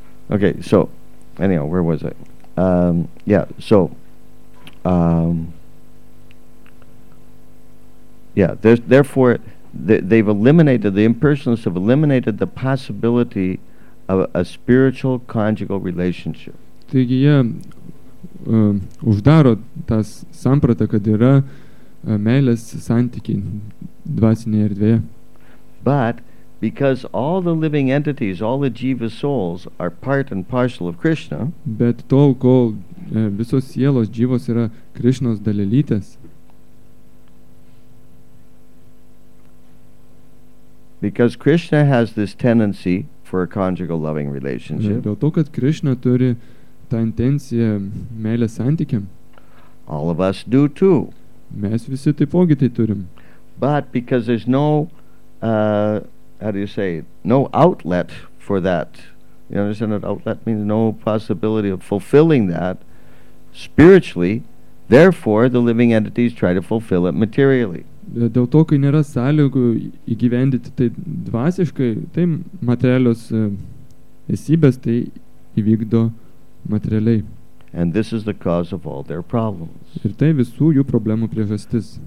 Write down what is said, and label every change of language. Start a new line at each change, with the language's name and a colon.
English: Okay, so, anyhow, where was I? Therefore... They've eliminated, the impersonalists have eliminated the possibility of a spiritual conjugal relationship.
Lithuanian: Taigi jie uždaro tas sampratą, kad yra meilės santykiai dvasinėje erdvėje.
English: But because all the living entities, all the jiva souls are part and partial of Krishna.
Lithuanian: Bet tol, kol visos sielos jivos yra Krishnos dalelytės.
English: Because Krishna has this tendency for a conjugal loving relationship.
Lithuanian: Dėl to, kad Krishna turi tą intenciją meilės santykiam.
English: All of us do too.
Lithuanian: Mes visi taipogi tai turim.
English: But because there's no, no outlet for that. You understand that outlet means no possibility of fulfilling that spiritually. Therefore, the living entities try to fulfill it materially.
Lithuanian: Dėl to, kai nėra sąlygų įgyvendyti tai dvasiškai, tai materialios esybės tai įvykdo materialiai.
English: And this is the cause of all their problems.
Lithuanian: Ir tai visų jų problemų priežastis.